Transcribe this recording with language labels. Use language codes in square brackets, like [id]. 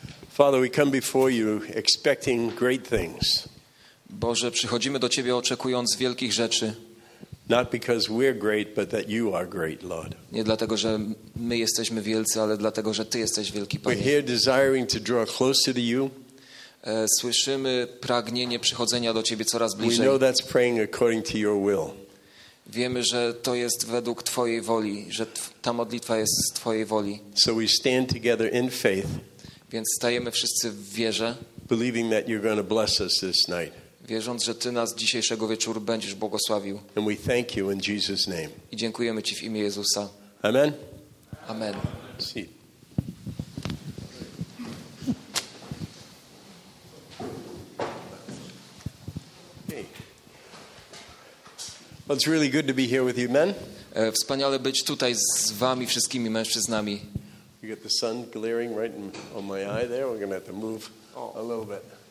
[en] Father, we come before you expecting great things. [pl] Boże, przychodzimy do Ciebie oczekując wielkich rzeczy. [en] Not because we're great, but that you are great, Lord. [pl] Nie dlatego, że my jesteśmy wielcy, ale dlatego, że Ty jesteś wielki, Panie. [en] We're here desiring to draw closer to you. [pl] Słyszymy pragnienie przychodzenia do Ciebie coraz bliżej. [en] We know that's praying according to your will. [pl] Wiemy, że to jest według Twojej woli, że ta modlitwa jest z Twojej woli. [en] So we stand together in faith. [pl] Więc stajemy wszyscy w wierze. [en] Believing that you're going to bless us this night. [pl] Wierząc, że Ty nas dzisiejszego wieczoru będziesz błogosławił. [en] And we thank you in Jesus' name. [pl] I dziękujemy Ci w imię Jezusa. Amen. Amen. [en] See. Well, it's really good to be here with you, men. [pl] Wspaniale być tutaj z wami wszystkimi mężczyznami. [en] You got the sun glaring right on my eye there. We're gonna have to move a little bit.